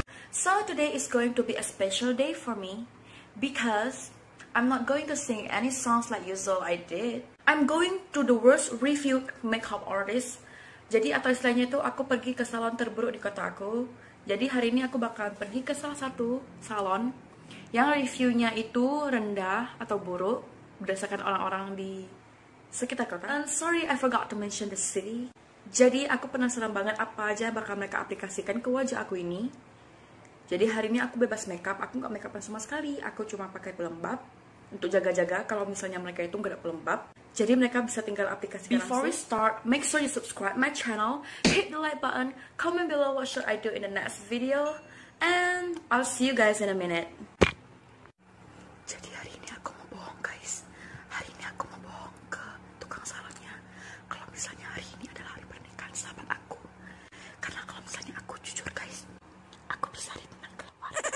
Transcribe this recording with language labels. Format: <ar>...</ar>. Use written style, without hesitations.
<en>So today is going to be a special day for me because I'm not going to sing any songs like usual I did. I'm going to the worst review makeup artist.</en> <id>Jadi atau istilahnya itu aku pergi ke salon terburuk di kota aku. Jadi hari ini aku bakal pergi ke salah satu salon yang reviewnya itu rendah atau buruk berdasarkan orang-orang di sekitar kota.</id> <en>And sorry, I forgot to mention the city.</en> <id>Jadi aku penasaran banget apa aja bakal mereka aplikasikan ke wajah aku ini. Jadi hari ini aku bebas makeup, aku gak makeupan sama sekali. Aku cuma pakai pelembab untuk jaga-jaga kalau misalnya mereka itu gak ada pelembab. Jadi mereka bisa tinggal aplikasikan langsung.</id> <en>Before we start, make sure you subscribe my channel, hit the like button, comment below what should I do in the next video, and I'll see you guys in a minute.</en> <id>Jadi hari ini aku mau bohong guys. Hari ini aku mau bohong ke tukang salonnya. Kalau misalnya hari ini adalah hari pernikahan sahabat aku. Karena kalau misalnya aku jujur guys, aku bisa ditenang keluar.</id>